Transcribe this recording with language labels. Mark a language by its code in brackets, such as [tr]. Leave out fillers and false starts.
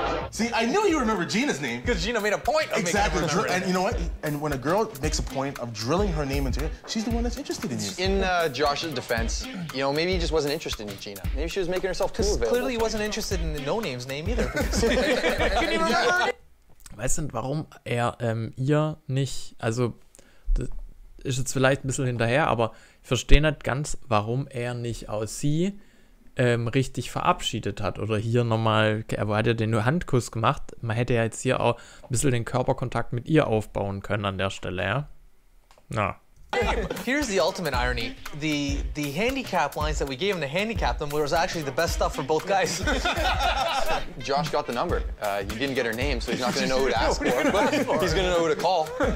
[en] See, I knew you remember Gina's name. Because Gina made a point of exactly. making her Exactly. And you know what? And when a girl makes a point of drilling her name into it, she's the one that's interested in you. In Josh's defense, you know, maybe he just wasn't interested in Gina. Maybe she was making herself too available. Clearly he wasn't interested in the no-name's name either. Can you remember? [de] Weißt du, warum er ihr nicht, also, das ist jetzt vielleicht ein bisschen hinterher, aber ich verstehe nicht ganz, warum er nicht aus sie richtig verabschiedet hat oder hier nochmal, er hat ja den nur Handkuss gemacht, man hätte ja jetzt hier auch ein bisschen den Körperkontakt mit ihr aufbauen können an der Stelle, ja? Na. [en] Here's the ultimate irony. The handicap lines that we gave him to handicap them was actually the best stuff for both guys. Josh got the number. He didn't get her name, so he's not gonna know who to ask for, but he's gonna know who to call.